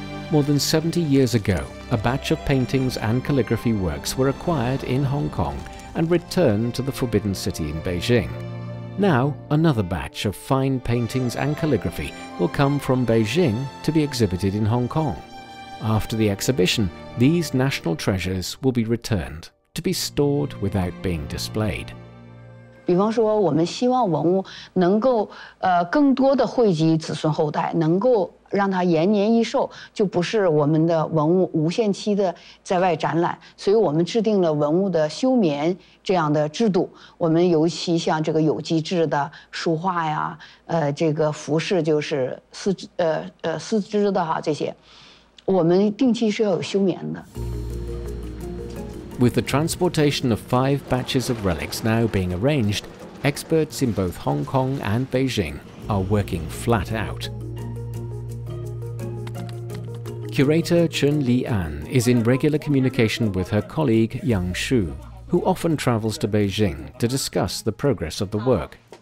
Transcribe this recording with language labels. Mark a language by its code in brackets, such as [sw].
[en] More than 70 years ago, a batch of paintings and calligraphy works were acquired in Hong Kong and returned to the Forbidden City in Beijing. Now, another batch of fine paintings and calligraphy will come from Beijing to be exhibited in Hong Kong. After the exhibition, these national treasures will be returned to be stored without being displayed. [zh] 比方说我们希望文物能够更多的汇集子孙后代，能够让它延年益寿，就不是我们的文物无限期的在外展览，所以我们制定了文物的休眠这样的制度。我们尤其像这个有机质的书画呀，这个服饰就是丝织的哈，这些我们定期是要有休眠的。 [en] With the transportation of 5 batches of relics now being arranged, experts in both Hong Kong and Beijing are working flat out. Curator Chun Li An is in regular communication with her colleague Yang Shu, who often travels to Beijing to discuss the progress of the work.